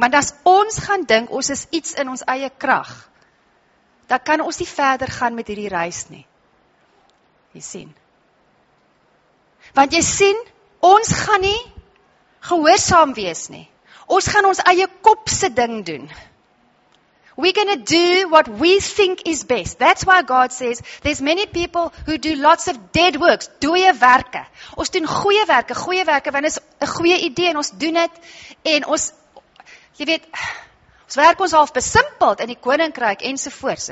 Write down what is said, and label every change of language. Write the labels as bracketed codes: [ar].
[af] Want as ons gaan dink, ons is iets in ons eie krag, dan kan ons nie verder gaan met hierdie reis nie. Jy sien. Want jy sien, ons gaan nie gehoorsaam wees nie. Ons gaan ons eie kopse ding doen. [en] We're gonna do what we think is best. That's why God says, there's many people who do lots of dead works, [af] dooie werke. Ons doen goeie werke, want is een goeie idee en ons doen het. En ons, jy weet, ons werk ons half besimpeld in die koninkryk ensovoorts.